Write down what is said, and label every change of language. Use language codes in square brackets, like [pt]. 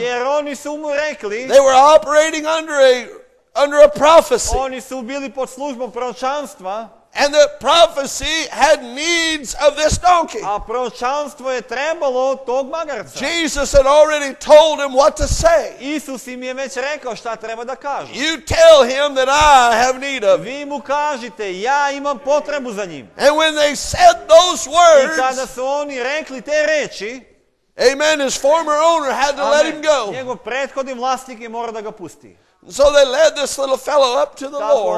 [sr] Jer oni su mu rekli. [en] They were operating under a prophecy. [sr] Oni su bili pod službom proročanstva. [en] And the prophecy had needs of this donkey. [sr] A proročanstvo je trebalo tog magarca. [en] Jesus had already told him what to say. [sr] Isus im je već rekao šta treba da kaže. [en] You tell him that I have need of. [sr] Vi mu kažite, ja imam potrebu za njim. [en] And when they said those words. [sr] I kada su oni rekli te reči. [en] Amen, his former owner had to let him go. [sr] Njegov prethodni vlasnik je morao da ga pusti. [en] So they led this little fellow up to the Lord.